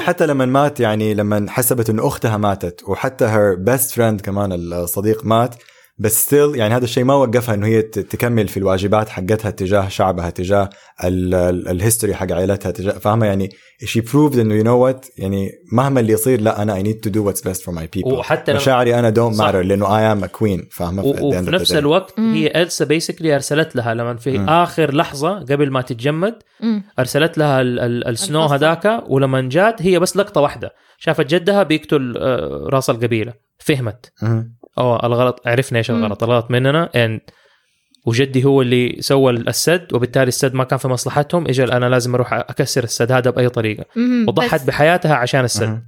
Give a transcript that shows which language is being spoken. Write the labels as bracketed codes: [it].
[ar] حتى لما مات يعني لما حسبت إن أختها ماتت وحتى [en] her best friend [ar] كمان الصديق مات، بس still يعني هذا الشيء ما وقفها إنه هي تكمل في الواجبات حقتها تجاه شعبها تجاه ال history حق عائلتها تجاه، فاهمة يعني [en] she proved [ar] إنه [en] you know what [ar] يعني مهما اللي يصير لا أنا [en] I need to do what's best for my people، [ar] وحتى مشاعري أنا [en] don't matter [ar] لأنه [en] I am a queen، [ar] فاهمة؟ وفي نفس الوقت هي إلسا basically أرسلت لها لما في آخر لحظة قبل ما تتجمد أرسلت لها ال snow هداك، ولما جات هي بس لقطة واحدة شافت جدها بيقتل راس القبيلة فهمت أو الغلط، عرفنا إيش الغلط، الغلط مننا and وجدي هو اللي سوى السد، وبالتالي السد ما كان في مصلحتهم، إجل أنا لازم أروح أكسر السد هذا بأي طريقة، وضحت بحياتها عشان السد.